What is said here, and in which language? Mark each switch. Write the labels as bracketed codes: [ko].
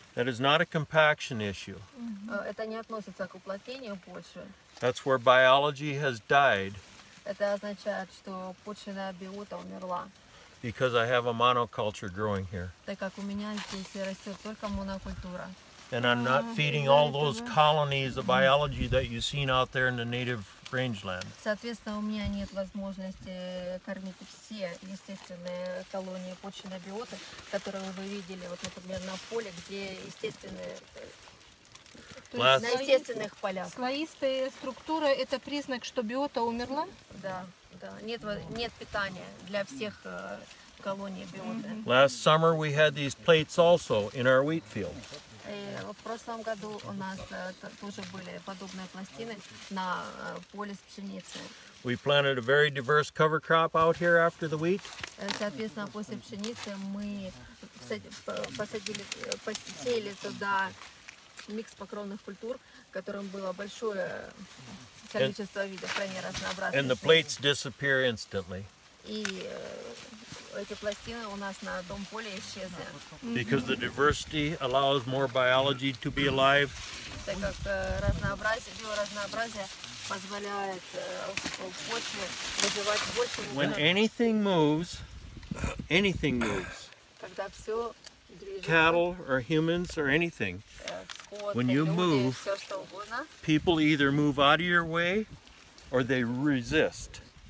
[en] That is not a compaction issue. [ru] Это не относится к уплотнению почвы. [en] That's where biology has died. [ru] Это означает, что почвенная биота умерла. [en] Because I have a monoculture growing here. [ru] Так как у меня здесь растет только монокультура. [en] And I'm not feeding all those colonies of biology that you've seen out there in the native rangeland. [ru] Соответственно, у меня нет возможности кормить все естественные колонии почвенной биоты, которые вы видели, вот, например, на поле, где естественные... Last... На естественных полях. Слоистая структура – это признак, что биота умерла? Да. Нет питания для всех колоний биоты. [en] Last summer we had these plates also in our wheat field. [ru] В прошлом году у нас тоже были подобные пластины на поле с пшеницей. [en] We planted a very diverse cover crop out here after the wheat. [ru] Соответственно, после пшеницы мы посеяли туда микс покровных культур, которым было большое количество видов, крайне разнообразных. [en] And the plates disappear instantly. [ru] И эти пластины у нас на одном поле исчезли. [en] Because the diversity allows more biology to be alive. [ru] Так как разнообразие, биоразнообразие позволяет почве выживать больше. [en] When anything moves, [ru] когда все [en] cattle or humans or anything, when you move, people either move out of your way or they resist.